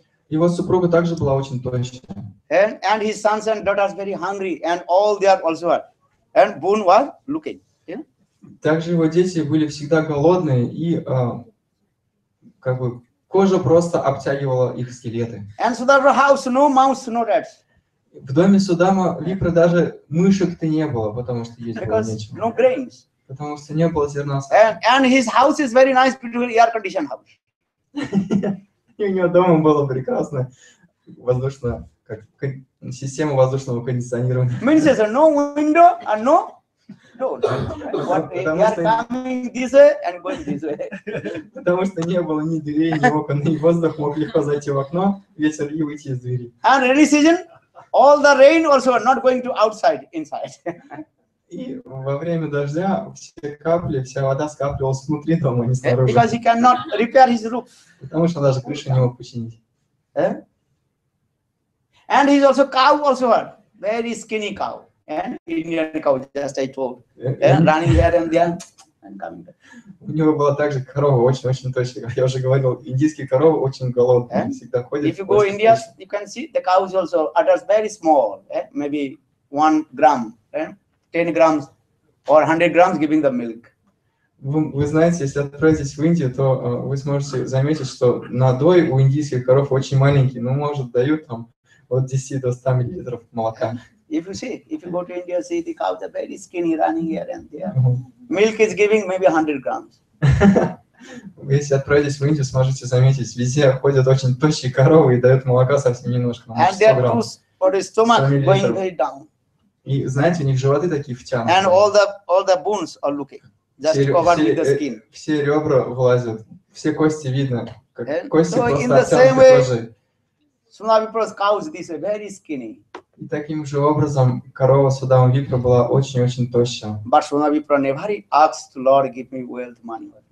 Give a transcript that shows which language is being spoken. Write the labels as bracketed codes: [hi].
[ru] Его супруга также была очень тощая. [en] And his sons and daughters very hungry, and all they are also are. And Boone was looking. [ru] Также его дети были всегда голодные, и как бы кожа просто обтягивала их скелеты. [en] And Sudama house, no mouse, no rats. [ru] В доме Судама Випра даже мышек-то не было, потому что есть было нечего. [en] No grains. [ru] Потому что не было зерна. [en] And his house is very nice, beautiful air-conditioned house. [ru] И у него дома было прекрасно воздушно. Система воздушного кондиционирования. [en] Means there's no window and no door. They are coming this way and going this way. [ru] Потому что не было ни дверей, ни окон, и воздух мог легко зайти в окно, ветер и выйти из двери. [en] And rainy season, all the rain also are not going to outside, inside. [ru] И во время дождя все капли, вся вода скапливалась внутри дома, не снаружи. [en] Because he cannot repair his roof. [ru] Потому что даже крышу не мог починить. [en] And he's also cow, also a very skinny cow, and Indian cow, just I told, running here and there, and coming back. [ru] У него была также корова, очень-очень тощая. Я уже говорил, индийские коровы очень голодные, всегда ходят. [en] If you go India, you can see the cows also are very small, maybe 1 gram, 10 grams, or 100 grams giving the milk. [ru] Вы знаете, если отправитесь в Индию, то вы сможете заметить, что надой у индийских коров очень маленький, но может дают там от 10 до 100 миллилитров молока. [en] If you see, if you go to India, see the cows are very skinny, running here and there. Mm-hmm. Milk is giving maybe 100 grams. [ru] Если отправитесь в Индию, сможете заметить, везде ходят очень тощие коровы и дают молока совсем немножко, на 100 грамм. И знаете, у них животы такие втянутые. [en] And all the bones are looking, just covered with the skin. [ru] Все ребра вылазят, все кости видно, как кости просто оттянуты кожей. И таким же образом корова Судама Випра была очень-очень тощая. [en] But Судама Випра never asked the Lord give me wealth money.